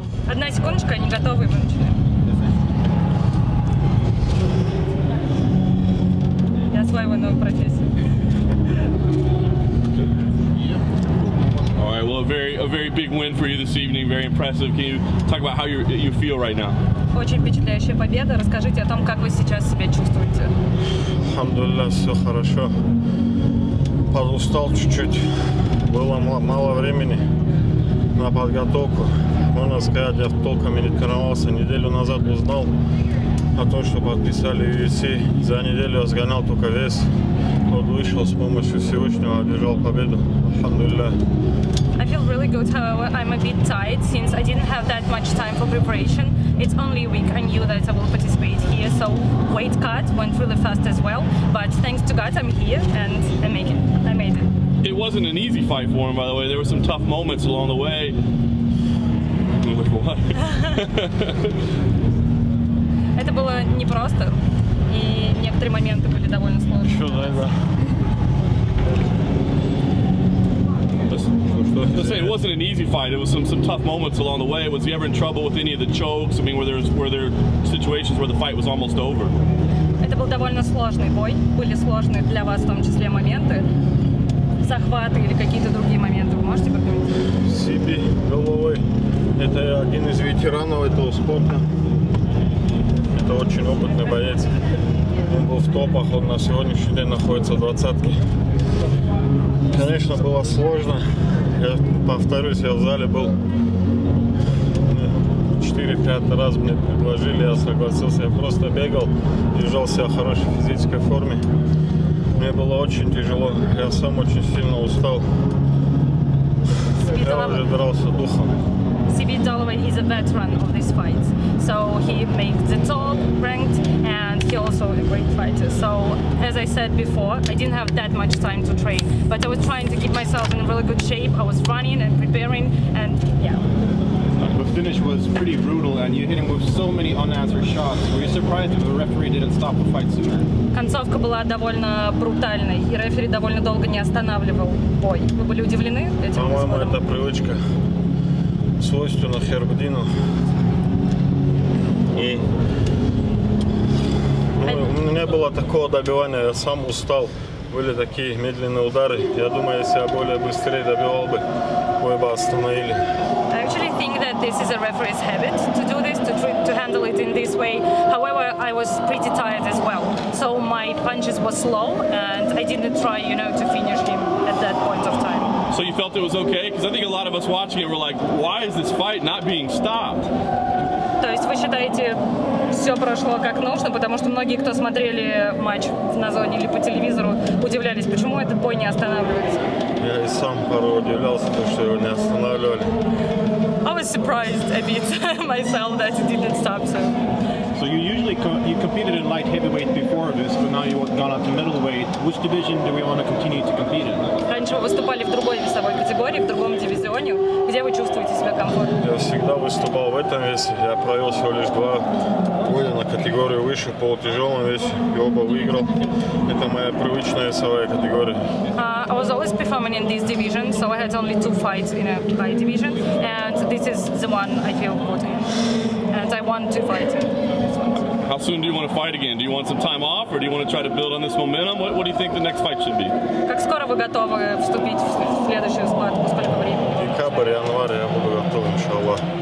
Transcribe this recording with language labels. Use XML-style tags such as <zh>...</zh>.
<ru>Одна секундочка, они готовы, мы начинаем. Я осваиваю новую профессию.</ru> <en>All right, well, a very big win for you this evening, very impressive. Can you talk about how you feel right now?</en> <ru>Очень впечатляющая победа. Расскажите о том, как вы сейчас себя чувствуете. Алхамдулиллах, все хорошо. Подустал чуть-чуть. Было мало времени на подготовку. Можно сказать, я толком не тренировался. Неделю назад узнал о том, что подписали UFC. За неделю сгонял только вес. Вот вышел с помощью Всевышнего, одержал победу. Алхамдулиллах.</ru> <en>I feel really good, however, I'm a bit tired since I didn't have that much time for preparation. It's only a week, I knew that I will participate here, so weight cut went really fast as well. But thanks to God, I'm here and I made it. It wasn't an easy fight for him, by the way. There were some tough moments along the way.</en> <ru>Это было непросто, и некоторые моменты были довольно сложные. Что, да, да.</ru> <en>Say it wasn't an easy fight. It was some tough moments along the way. Was he ever in trouble with any of the chokes? I mean, were there situations where the fight was almost over?</en> <ru>Это был довольно сложный бой. Были сложные для вас, в том числе моменты, захваты или какие-то другие моменты. Вы можете прокомментировать? Себе головой. Это один из ветеранов этого спорта. Это очень опытный боец. Он был в топах. Он на сегодняшний день находится в двадцатке. Конечно, было сложно. Я повторюсь, я в зале был 4-5 раз мне предложили, я согласился. Я просто бегал, держал себя в хорошей физической форме. Мне было очень тяжело. Я сам очень сильно устал. Я уже дрался духом.</ru> <en>CB Dalloway is a veteran of this fight. So he makes the top ranked and he also a great fighter. So as I said before, I didn't have that much time to train, but I was trying to keep myself in really good shape. I was running and preparing and yeah. The finish was pretty brutal and you hit him with so many unanswered shots. Were you surprised if the referee didn't stop the fight sooner?</en> <ru>Концовка была довольно брутальной и рефери довольно долго не останавливал бой. Вы были удивлены этим? По-моему, это привычка. Свойственно Хербдину. И не было такого добивания, я сам устал. Были такие медленные удары. Я думаю, если я более быстрее добивал бы, мы бы остановили.</ru> <en>I actually think that this is a referee's habit to do this, to handle it in this way. However, I was pretty tired as well. So my punches were slow and I didn't try, you know, to finish him at that point of time. So you felt it was okay? Because I think a lot of us watching it were like, why is this fight not being stopped?</en> <ru>То есть вы считаете, все прошло как нужно, потому что многие, кто смотрели матч на зоне или по телевизору, удивлялись, почему этот бой не останавливается. Я и сам порой удивлялся, что его не останавливали.</ru> <en>I was surprised a bit myself that it didn't stop. So you usually you competed in light heavyweight before this, but now you've gone up to middleweight. Which division do we want to continue to compete in?</en> <ru>Раньше вы выступали в другой весовой категории, в другом дивизионе. Где вы чувствуете себя комфортно? Я всегда выступал в этом весе. Я провел всего лишь 2 боя на категорию выше, полутяжелом весе. И оба выиграл. Это моя привычная весовая категория.</ru> <en>I was always performing in this division, so I had only 2 fights in a high division. And this is the one I feel good in. And I want to fight in. How soon do you want to fight again? Do you want some time off, or do you want to try to build on this momentum? What do you think the next fight should be?</en> <ru>Как скоро вы готовы вступить в следующую схватку? Сколько времени? Декабрь, январь, я буду готов, иншаллах.</ru>